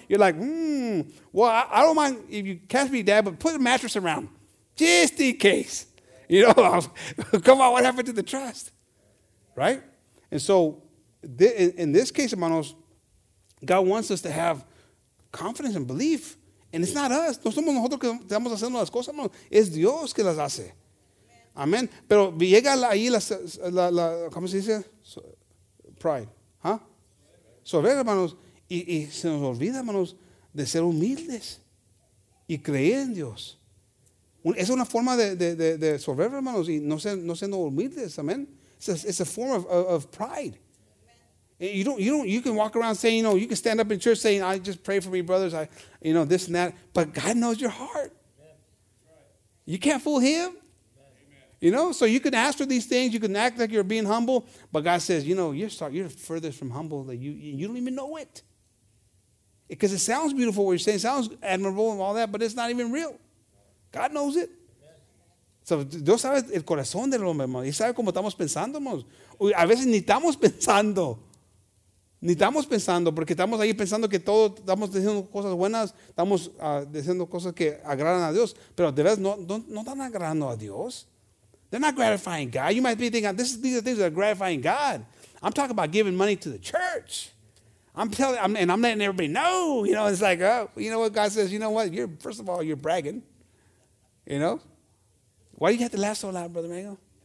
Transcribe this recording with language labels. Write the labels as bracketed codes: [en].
[en] You're like, well, I don't mind if you catch me, Dad, but put a mattress around just in case. You know, come on, what happened to the trust? Right? And so in this case, hermanos, God wants us to have confidence and belief. And it's not us. [es] No somos nosotros que estamos haciendo las cosas, hermanos. Es Dios que las hace. Amén. Pero llega ahí la, ¿cómo se dice? Pride. ¿Ah? Soberbia, hermanos. Y se nos olvida, hermanos, de ser humildes y creer en Dios. Es una forma de soberbia, hermanos, y no siendo humildes. [en] Amén. It's a form of pride. You can walk around saying, you know, you can stand up in church saying, I just pray for me, brothers, I, you know, this and that. But God knows your heart. You can't fool him. You know, so you can ask for these things. You can act like you're being humble. But God says, you know, you're furthest from humble that you don't even know it. Because it sounds beautiful what you're saying. It sounds admirable and all that, but it's not even real. God knows it. [es] So Dios sabe el corazón del hombre, hermano. Y sabe cómo estamos pensando, hermano. A veces ni estamos pensando. Ni estamos pensando porque estamos ahí pensando que todo estamos diciendo cosas buenas. Estamos diciendo cosas que agradan a Dios. Pero de verdad no están agradando a Dios. [en] They're not gratifying God. You might be thinking, these are things that are gratifying God. I'm talking about giving money to the church. I'm letting everybody know. You know, it's like, oh, you know what God says? You know what? First of all, you're bragging. You know? Why do you have to laugh so loud, Brother Mango?